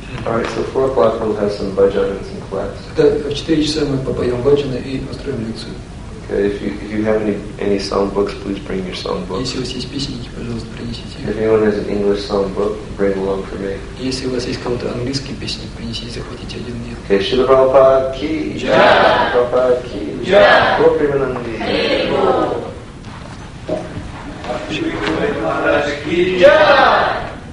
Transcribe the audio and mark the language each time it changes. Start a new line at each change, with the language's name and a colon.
English: Alright, so 4 o'clock we'll have some bhajan and some class.
Russian: Да, в 4 часа мы попоем бхаджаны и устроим лекцию.
English: Okay, if you have any song books, please bring your song book.
Russian: Если у вас есть песенки, пожалуйста, принесите.
English: If anyone has an English song book, bring along for me.
Russian: Если у вас есть какой-то английский песенник, принесите, захватите один мне. Okay, Шрила Прабхупада ки джай. Прабхупада ки джай. Гуру Премананда ки джай. Шри Гуру Прабхупада ки джай.